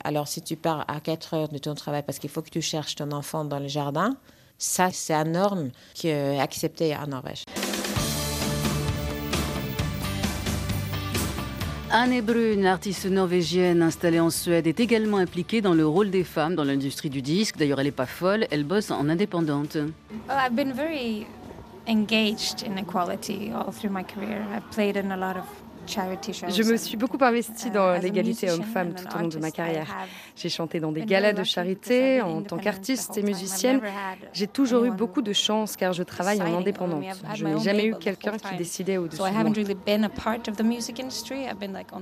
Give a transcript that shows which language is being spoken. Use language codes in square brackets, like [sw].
[fr] Alors si tu pars à 4 heures de ton travail parce qu'il faut que tu cherches ton enfant dans le jardin, ça, c'est une norme qui est acceptée en Norvège. Anne Brune, artiste norvégienne installée en Suède, est également impliquée dans le rôle des femmes dans l'industrie du disque. D'ailleurs, elle n'est pas folle, elle bosse en indépendante. [en] Well, I've been very engaged in equality all through my career. I've played in a lot of charity shows. [fr] Je me suis beaucoup investie dans l'égalité homme-femme tout au long de ma carrière. J'ai chanté dans des galas de charité en tant qu'artiste et musicienne. J'ai toujours eu beaucoup de chance car je travaille en indépendante. Je n'ai jamais eu quelqu'un qui décidait au-dessus de moi.